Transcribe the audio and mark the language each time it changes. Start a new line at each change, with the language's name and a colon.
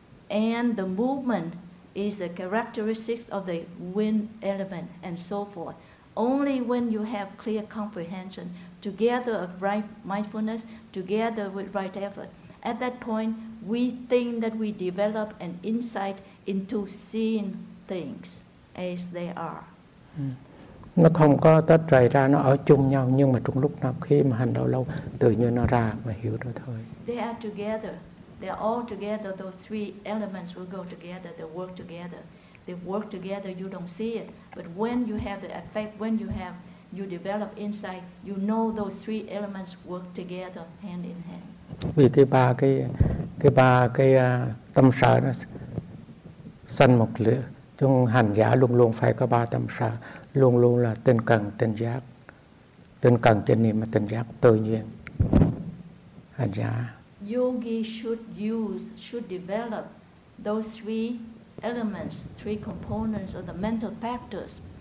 English: And the movement is a characteristic of the wind element, and so forth. Only when you have clear comprehension, together with right mindfulness, together with right effort, at that point, we think that we develop an insight into seeing things as they are.
Vietnamese: Nó không có tách rời ra, nó ở chung nhau, nhưng mà trong lúc nào khi mà hành lâu lâu, tự nhiên nó ra và hiểu rồi thôi.
English: They are together. They are all together. Those three elements will go together. They work together. They work together, you don't see it. But when you have the effect, when you have, you develop insight, you know those three elements work together, hand in hand.
Vietnamese: Vì cái ba cái tâm sở nó sanh một lửa. Chúng hành giả luôn luôn phải có ba tâm sở. Luôn luôn là tinh cần, tinh giác. Tinh cần trên niệm mà tinh giác tự nhiên. Hành giả.
English: Yogi should develop those three elements, three components of the mental factors.